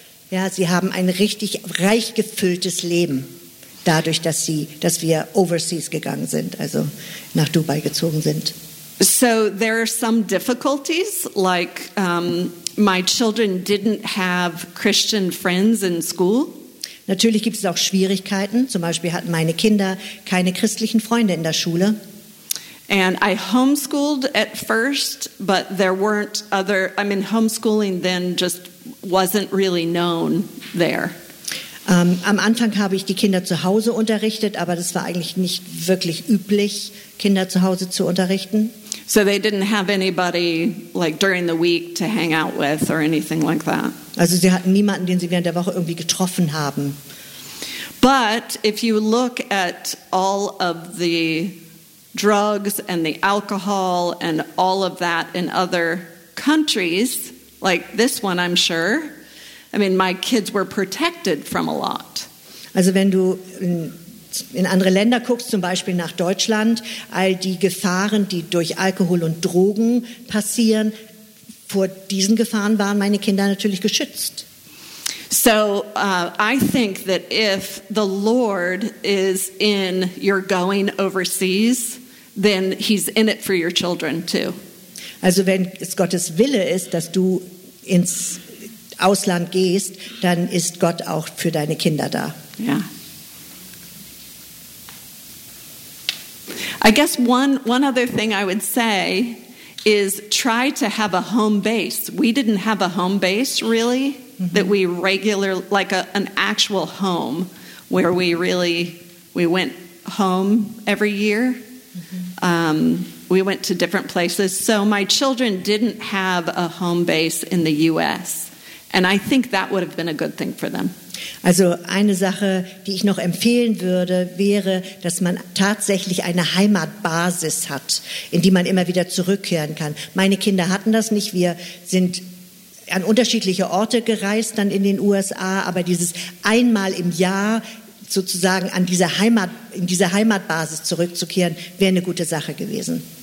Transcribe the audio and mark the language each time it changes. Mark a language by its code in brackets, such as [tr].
[de] Ja, sie haben ein richtig reich gefülltes Leben, dadurch, dass wir overseas gegangen sind, also nach Dubai gezogen sind. [en] So there are some difficulties, like my children didn't have Christian friends in school. [de] Natürlich gibt es auch Schwierigkeiten. Zum Beispiel hatten meine Kinder keine christlichen Freunde in der Schule. [en] And I homeschooled at first, but there weren't other, I mean, homeschooling then just wasn't really known there. [de] Am Anfang habe ich die Kinder zu Hause unterrichtet, aber das war eigentlich nicht wirklich üblich, Kinder zu Hause zu unterrichten. [en] So they didn't have anybody like during the week to hang out with or anything like that. [de] Also sie hatten niemanden, den sie während der Woche irgendwie getroffen haben. [en] But if you look at all of the drugs and the alcohol and all of that in other countries, like this one, I'm sure. I mean, my kids were protected from a lot. [de] Also wenn du in andere Länder guckst, zum Beispiel nach Deutschland, all die Gefahren, die durch Alkohol und Drogen passieren, vor diesen Gefahren waren meine Kinder natürlich geschützt. [en] So I think that if the Lord is in your going overseas, then he's in it for your children too. [de] Also wenn es Gottes Wille ist, dass du ins Ausland gehst, dann ist Gott auch für deine Kinder da. [en] Yeah. I guess one other thing I would say is try to have a home base. We didn't have a home base really, mm-hmm. that we regular, like an actual home where we went home every year. Mm-hmm. We went to different places. So my children didn't have a home base in the U.S. And I think that would have been a good thing for them. [de] Also eine Sache, die ich noch empfehlen würde, wäre, dass man tatsächlich eine Heimatbasis hat, in die man immer wieder zurückkehren kann. Meine Kinder hatten das nicht. Wir sind an unterschiedliche Orte gereist dann in den USA, aber dieses einmal im Jahr sozusagen an diese Heimat, in diese Heimatbasis zurückzukehren, wäre eine gute Sache gewesen.